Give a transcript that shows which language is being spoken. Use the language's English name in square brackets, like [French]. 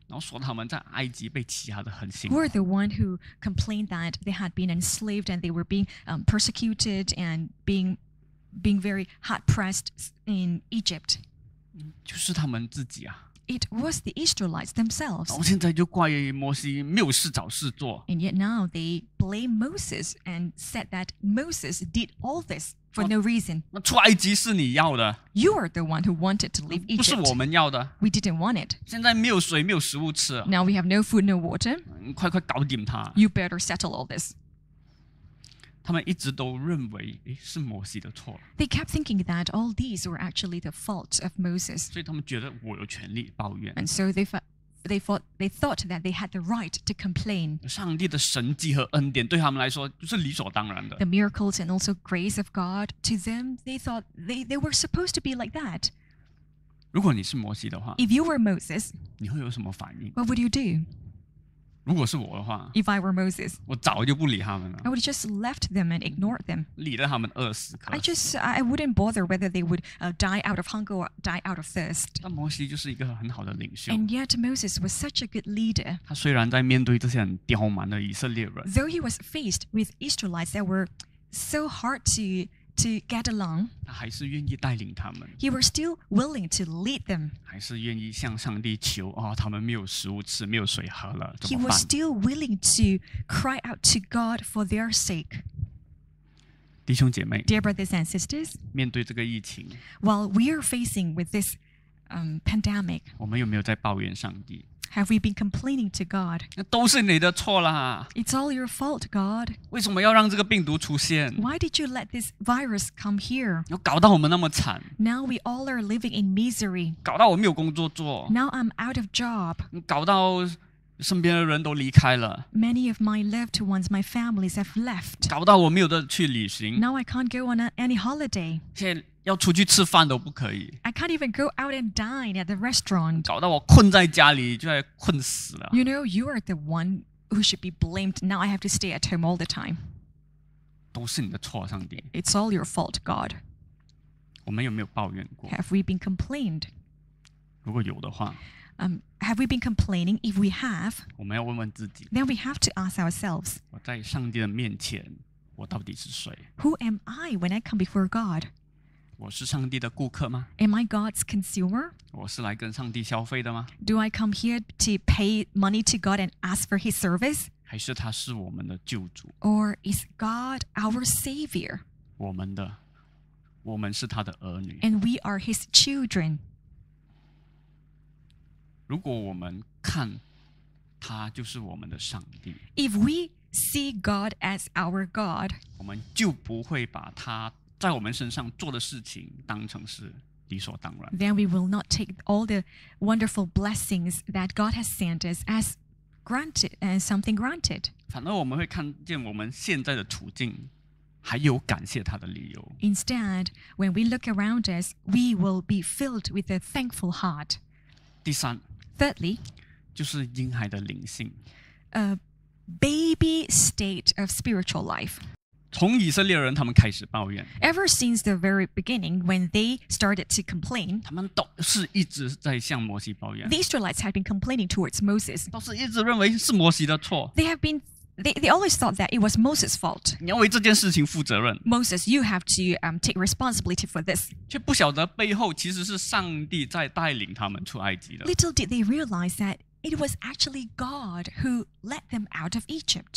[Chinese] 然后说他们在埃及被欺压得很辛苦。 [English] Who are the one who complained that they had been enslaved and they were being persecuted and being very hard pressed in Egypt? [Chinese] 就是他们自己啊。 [English] It was the Israelites themselves. [Chinese] 然后现在就怪摩西没有事找事做。 [English] And yet now they blame Moses and said that Moses did all this. For no reason. [Chinese] 那出埃及是你要的。 [English] You are the one who wanted to leave Egypt. [Chinese] 不是我们要的。 [English] We didn't want it. [Chinese] 现在没有水，没有食物吃。 [English] Now we have no food, no water. [Chinese] 快快搞定它。 [English] You better settle all this. [Chinese] 他们一直都认为，诶，是摩西的错。 [English] They kept thinking that all these were actually the fault of Moses. [Chinese] 所以他们觉得我有权利抱怨。 [English] And so they thought that they had the right to complain. [Chinese] 上帝的神迹和恩典对他们来说就是理所当然的。 [English] The miracles and also grace of God to them, they thought they were supposed to be like that. [Chinese] 如果你是摩西的话， [English] If you were Moses, [Chinese] 你会有什么反应？ [English] What would you do? [Chinese] 如果是我的话， [English] If I were Moses, [Chinese] 我早就不理他们了。 [English] I would just left them and ignored them. [Chinese] 理得他们饿死渴死。 [English] I wouldn't bother whether they would die out of hunger or die out of thirst. [Chinese] 但摩西就是一个很好的领袖。 [English] And yet Moses was such a good leader. [Chinese] 他虽然在面对这些很刁蛮的以色列人， [English] Though he was faced with Israelites that were so hard to get along, [Chinese] 他还是愿意带领他们。 [English] He was still willing to lead them. [Chinese] 还是愿意向上帝求，哦，他们没有食物吃，没有水喝了，怎么办？ [English] He was still willing to cry out to God for their sake. [Chinese] 弟兄姐妹， [English] Dear brothers and sisters, [Chinese] 面对这个疫情， [English] While we are facing with this pandemic, [Chinese] 我们有没有在抱怨上帝？ [English] Have we been complaining to God? [Chinese] 那都是你的错啦。 [English] It's all your fault, God. [Chinese] 为什么要让这个病毒出现？ [English] Why did you let this virus come here? [Chinese] 要搞到我们那么惨。 [English] Now we all are living in misery. [Chinese] 搞到我没有工作做。 [English] Now I'm out of job. [Chinese] 搞到身边的人都离开了。 [English] Many of my loved ones, my families have left. [Chinese] 搞到我没有得去旅行。 [English] Now I can't go on any holiday. [Chinese] 现在要出去吃饭都不可以。 [English] I can't even go out and dine at the restaurant. [Chinese] 搞到我困在家里就要困死了。 [English] You know, you are the one who should be blamed. Now I have to stay at home all the time. [Chinese] 都是你的错，上帝。 [English] It's all your fault, God. [Chinese] 我们有没有抱怨过？ [English] Have we been complained? [Chinese] 如果有的话， [English] Have we been complaining? If we have, [Chinese] 我们要问问自己。 [English] Then we have to ask ourselves, [Chinese] 我在上帝的面前，我到底是谁？ [English] Who am I when I come before God? [Chinese] 我是上帝的顾客吗？ [English] Am I God's consumer? [Chinese] 我是来跟上帝消费的吗？ [English] Do I come here to pay money to God and ask for his service? [Chinese] 还是他是我们的救主？ [English] Or is God our savior? [Chinese] 我们是他的儿女。 [English] And we are his children. [Chinese] 如果我们看他就是我们的上帝， [English] If we see God as our God, [Chinese] 我们就不会把他在我们身上做的事情当成是理所当然。 [English] Then we will not take all the wonderful blessings that God has sent us as granted, as something granted. [Chinese] 反而我们会看见我们现在的处境还有感谢他的理由。 [English] Instead, when we look around us, we will be filled with a thankful heart. [Chinese] 第三， [English] Thirdly, [Chinese] 就是婴孩的灵性。 [English] A baby state of spiritual life. [Chinese] 从以色列人他们开始抱怨。 [English] Ever since the very beginning, when they started to complain, [Chinese] 他们都是一直在向摩西抱怨。 [English] The Israelites had been complaining towards Moses. [Chinese] 都是一直认为是摩西的错。 [English] They always thought that it was Moses' fault. [Chinese] 你要为这件事情负责任。 [English] Moses, you have to take responsibility for this. [Chinese] 却不晓得背后其实是上帝在带领他们出埃及的。 [English] Little did they realize that it was actually God who led them out of Egypt.